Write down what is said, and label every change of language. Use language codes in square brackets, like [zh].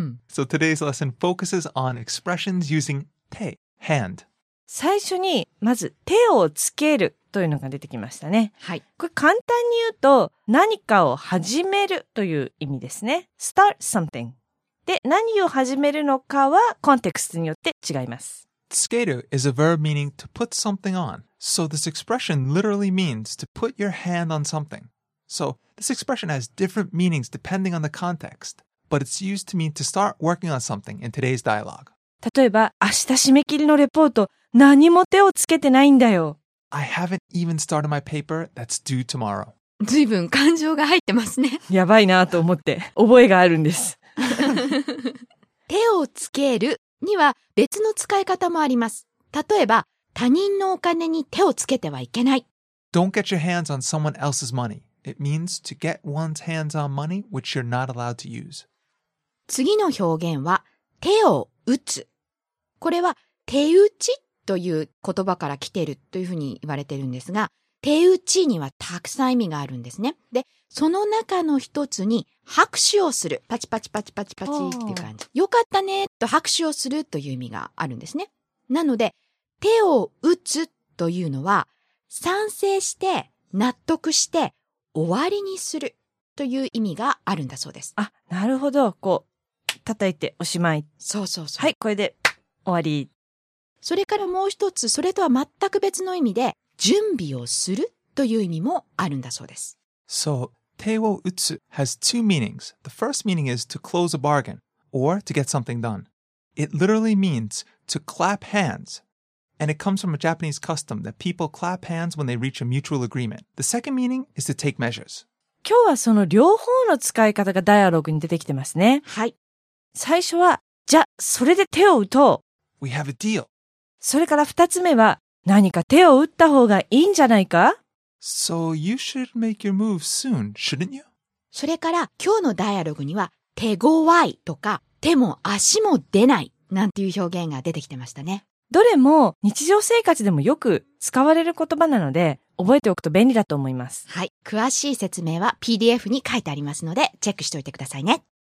[en] So today's lesson focuses on expressions using 手 hand. [ja] 最初にまず手をつけるというのが出てきましたね。はい。これ簡単に言うと何かを始めるという意味ですね。 [en] Start something。 [ja] で、何を始めるのかはコンテクストによって違います。 [en] つける is a verb meaning to put something on. So this expression literally means to put your hand on something. So this expression has different meanings depending on the context. But it's used to mean to start working on something in today's dialogue. [ja] 例えば、明日締め切りのレポート、何も手をつけてないんだよ。 [en] I haven't even started my paper that's due tomorrow. [ja] ずいぶん感情が入ってますね。やばいなと思って、覚えがあるんです。手をつけるには別の使い方もあります。例えば、他人のお金に手をつけてはいけない。 [en] Don't get your hands on someone else's money. It means to get one's hands on money which you're not allowed to use. [ja] 次の表現は、手を打つ。これは、手打ちという言葉から来ているというふうに言われているんですが、手打ちにはたくさん意味があるんですね。で、その中の一つに拍手をする。パチパチパチパチパチっていう感じ。よかったねと拍手をするという意味があるんですね。なので、手を打つというのは、賛成して、納得して、終わりにするという意味があるんだそうです。あ、なるほど。こう、叩いておしまい。そうそうそう。はい、これで終わり。それからもう一つ、それとは全く別の意味で、準備をするという意味もあるんだそうです。 [en] So, 手を打つ has two meanings. The first meaning is to close a bargain or to get something done. It literally means to clap hands. And it comes from a Japanese custom that people clap hands when they reach a mutual agreement. The second meaning is to take measures. [ja] 今日はその両方の使い方がダイアログに出てきてますね。はい。最初は、じゃ、それで手を打とう。 [en] We have a deal. [ja] それから二つ目は、何か手を打った方がいいんじゃないか? [en] So you should make your move soon, shouldn't you? [ja] それから今日のダイアログには手ごわいとか手も足も出ないなんていう表現が出てきてましたね。どれも日常生活でもよく使われる言葉なので覚えておくと便利だと思います。はい、詳しい説明は PDF に書いてありますのでチェックしておいてくださいね。